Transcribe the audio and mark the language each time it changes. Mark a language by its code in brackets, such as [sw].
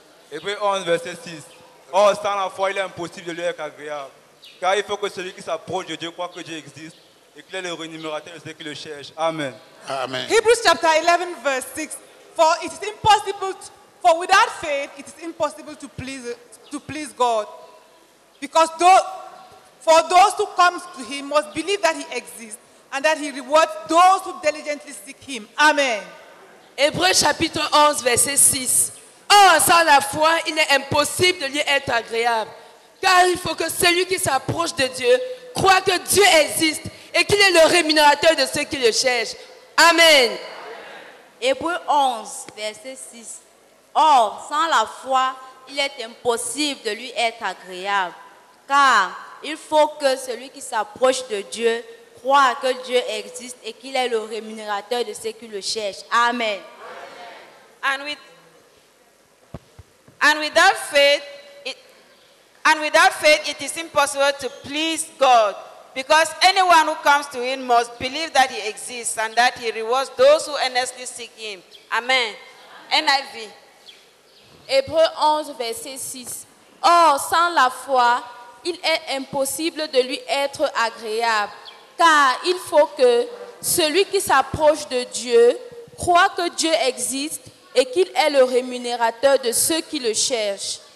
[fr] Hébreux 11, verset 6. Or, sans la foi, il est impossible de lui être agréable. Car il faut que celui qui s'approche de Dieu croit que Dieu existe et qu'il est le rémunérateur de ceux qui le cherchent. Amen. Amen. Hébreux chapitre 11, verset 6. [en] For it is impossible to, for without faith it is impossible to please God, because for those who come to Him must believe that He exists and that He rewards those who diligently seek Him. Amen. [fr] Hébreux chapitre 11 verset 6. Or sans la foi il est impossible de lui être agréable, car il faut que celui qui s'approche de Dieu croit que Dieu existe et qu'il est le rémunérateur de ceux qui le cherchent. Amen. Hébreux 11, verset 6. Or, sans la foi, il est impossible de lui être agréable. Car il faut que celui qui s'approche de Dieu croit que Dieu existe et qu'il est le rémunérateur de ceux qui le cherchent. Amen. [en] And without faith, it is impossible to please God. Because anyone who comes to Him must believe that He exists and that He rewards those who earnestly seek Him. Amen. NIV. [fr] Hébreux 11, verset 6. Or, sans la foi, il est impossible de lui être agréable. Car il faut que celui qui s'approche de Dieu croit que Dieu existe et qu'il est le rémunérateur de ceux qui le cherchent.